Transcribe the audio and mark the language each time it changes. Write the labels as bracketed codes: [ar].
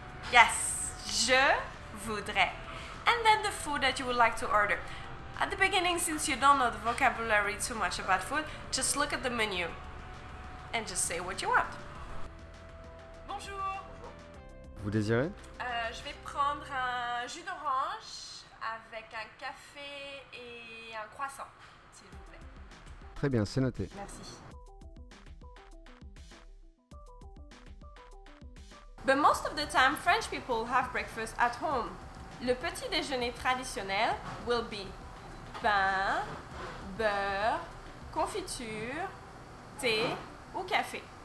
[fr] Yes. Je voudrais. [en] And then the food that you would like to order. At the beginning, since you don't know the vocabulary too much about food, just look at the menu and just say what you want. [fr] Bonjour. Vous désirez? Je vais prendre un jus d'orange avec un café et un croissant, s'il vous plaît. Très bien, c'est noté. Merci. [en] But most of the time, French people have breakfast at home. [fr] Le petit déjeuner traditionnel [en] will be [fr] pain, beurre, confiture, thé ou café.